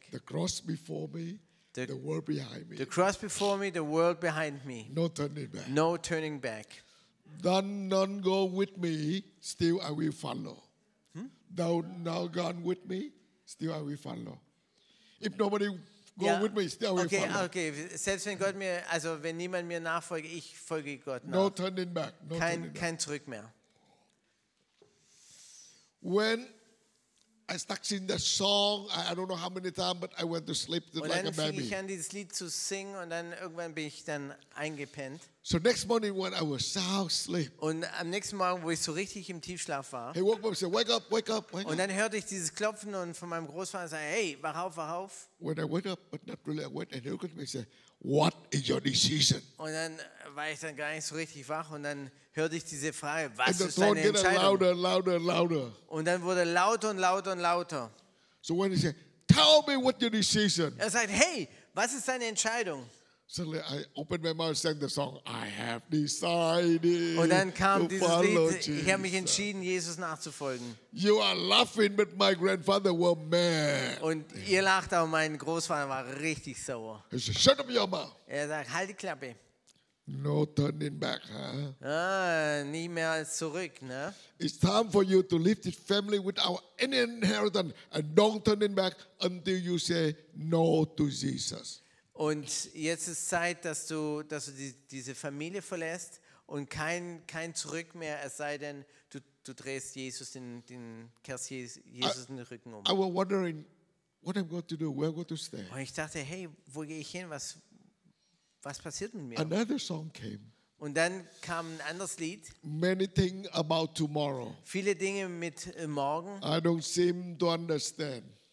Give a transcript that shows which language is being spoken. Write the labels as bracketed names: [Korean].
[English] The cross before me, the world behind me. The cross before me, the world behind me. No turning back. No turning back. None go with me, still I will follow. Thou now gone with me, still I will follow. If nobody go yeah. with me, still I will okay, follow. [German] Okay, selbst wenn Gott mir, also wenn niemand mir nachfolge, ich folge Gott nach. [English] No turning back. No [German] kein, [English] turning back. [German] Kein zurück mehr. [English] When I stuck in the song, I don't know how many times, but I went to sleep like a baby. [German] Und dann fing ich an, dieses Lied zu singen, und dann irgendwann bin ich dann eingepennt. [English] So next morning when I was sound asleep. [German] Und am nächsten Morgen, wo ich so richtig im Tiefschlaf war. [English] He woke up and said, "Wake up, wake up, wake up." [German] Und dann hörte ich dieses Klopfen und von meinem Großvater sagen, "Hey, wach auf, wach auf." [English] When I woke up, but not really, I went and he looked at me and said, "What is your decision?" [German] Und dann war ich dann gar nicht so richtig wach und dann hörte ich diese Frage, was [English] and the [German] ist deine Entscheidung? [English] Louder, louder, louder. [German] Und dann wurde lauter und lauter und lauter. [English] So when he said, "Tell me what your decision." [German] Er sagt, "Hey, was ist deine Entscheidung?" [English] Suddenly I opened my mouth and sang the song, "I have decided." [German] Und dann kam [English] to [German] dieses Lied, [English] Jesus. [German] Ich habe mich entschieden, Jesus nachzufolgen. [English] You are laughing, but my grandfather was mad. [German] Und ihr lacht, aber mein Großvater war richtig sauer. [English] He said, "Shut up your mouth." [German] Er sagt, "Halt die Klappe." [English] No turning back, huh? [German] Ah, nie mehr zurück, ne? [English] It's time for you to leave this family without any inheritance and don't turn it back until you say no to Jesus. [German] Und jetzt ist Zeit, dass du diese Familie verlässt und kein Zurück mehr, es sei denn, du drehst Jesus den Rücken um. [English] I was wondering, what am I going to do? Where am I going to stay? [German] Und ich dachte, hey, wo gehe ich hin? Was passiert mit mir? [English] Another song came. [German] Und dann kam ein anderes Lied. [English] Many things about tomorrow. [German] Viele Dinge mit morgen. [English] I don't seem to understand.